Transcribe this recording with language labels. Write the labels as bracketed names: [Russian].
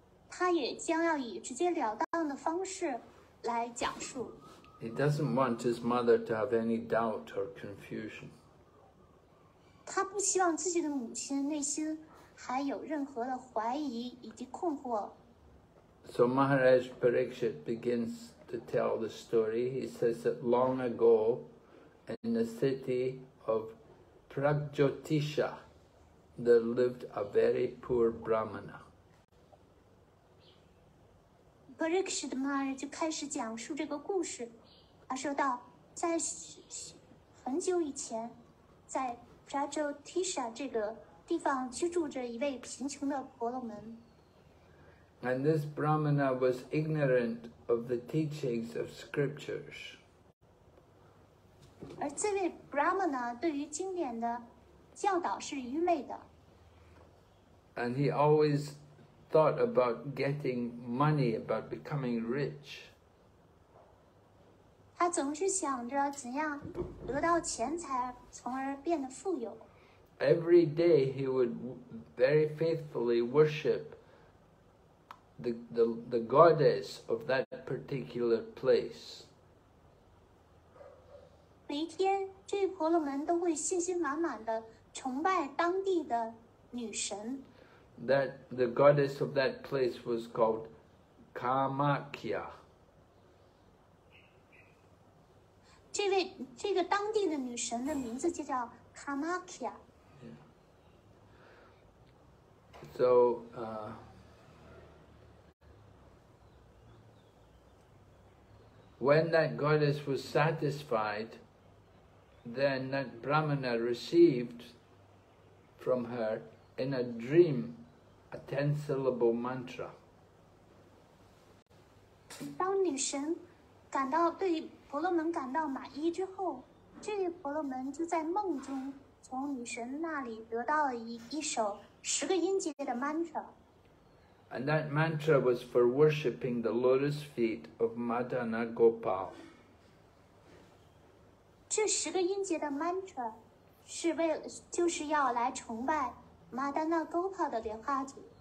[Chinese] 他也将要以直接了当的方式来讲述。 [English] He doesn't want his mother to have any doubt or confusion. [Chinese] 他不希望自己的母亲内心还有任何的怀疑以及困惑。 [English] So Maharaj Parikshit begins to tell the story. He says that long ago, in the city of Pragjyotisha, there lived a very poor Brahmana. [Chinese] Parikshit Maharaj 开始讲述这个故事，他说到，在很久以前，在 Pragjyotisha 这个地方居住着一位贫穷的婆罗门。 [English] And this Brahmana was ignorant of the teachings of scriptures. [Chinese] 而这位 Brahmana 对于经典的教导是愚昧的。 [English] And he always thought about getting money, about becoming rich. [Chinese] 他总是想着怎样得到钱财，从而变得富有。 [English] Every day he would very faithfully worship the goddess of that particular place. [Chinese] 每天，这位婆罗门都会信心满满地崇拜当地的女神。 [English] That the goddess of that place was called Kamakya. [Chinese] 这个当地的女神的名字就叫 Kamakya. [English] So, when that goddess was satisfied, then that Brahmana received from her in a dream a 10-syllable mantra. [Chinese] 当女神感到对婆罗门感到满意之后，这位婆罗门就在梦中从女神那里得到了一首十个音节的 mantra. [English] And that mantra was for worshipping the lotus feet of Madana Gopal. [Chinese] 这十个音节的 mantra 是为了就是要来崇拜 Madana Gopal 的莲花指。